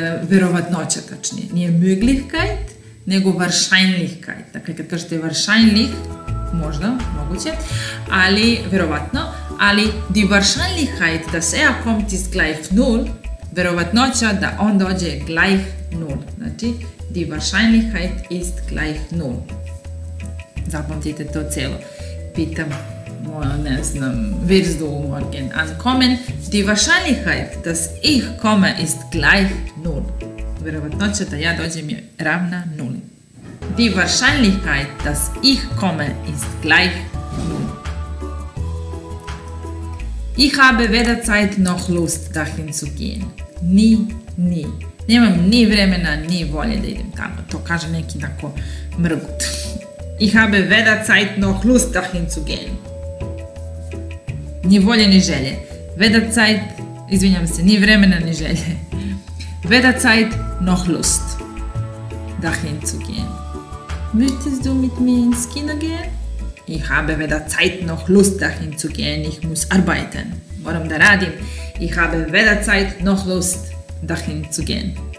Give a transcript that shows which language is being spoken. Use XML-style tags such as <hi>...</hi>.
<sr>Verovatnoća, tačnije. Nije möglichkeit, nego wahrscheinlichkeit. Dakle, kad kažete wahrscheinlich, možda, moguće, ali verovatno, ali</sr> <de>die Wahrscheinlichkeit, dass er kommt, ist gleich null.</de> <sr>Verovatnoća da on dođe je</sr> <de>gleich null. Znači, die Wahrscheinlichkeit ist gleich null.</de> <sr>Zapamtite to celo. Pitam, ne znam,</sr> <de>wirst du morgen ankommen? Die Wahrscheinlichkeit, dass ich komme, ist gleich null.</de> <sr>Verovatnoća da ja dođem je ravna nuli.</sr> <de>Die Wahrscheinlichkeit, dass ich komme, ist gleich null. Ich habe weder Zeit noch Lust dahin zu gehen. Ni.</de> <sr>Nemam ni vremena, ni volje da idem tamo. To kaže neki tako mrgut.</sr> <de>Ich habe weder Zeit noch Lust dahin zu gehen.</de> <sr>Ni volje, ni želje.</sr> <de>Weder Zeit,</de> <sr>izvinjam se, ni vremena, ni želje.</sr> <de>Weder Zeit noch Lust dahin zu gehen. Möchtest du mit mir ins Kino gehen? Ich habe weder Zeit noch Lust dahin zu gehen, ich muss arbeiten. Warum</de> <sr>da radim?</sr> <de>Ich habe weder Zeit noch Lust dahin zu gehen.</de>